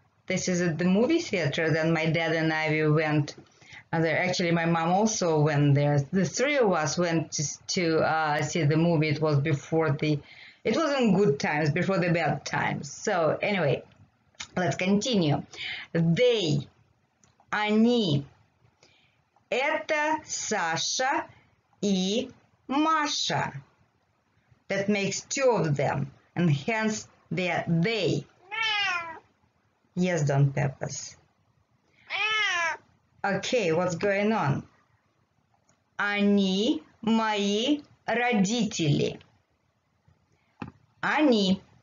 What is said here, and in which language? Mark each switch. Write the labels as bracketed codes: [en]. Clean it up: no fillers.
[en] This is at the movie theater that my dad and I, we went. Actually, my mom also went there. The three of us went to see the movie. It was before the, it was in good times, before the bad times. So anyway, let's continue. They, [ru] они, это Саша и Маша. [en] That makes two of them, and hence they are they. Yes, Don Peppers. Okay, what's going on? [ru] Они мои родители. Они.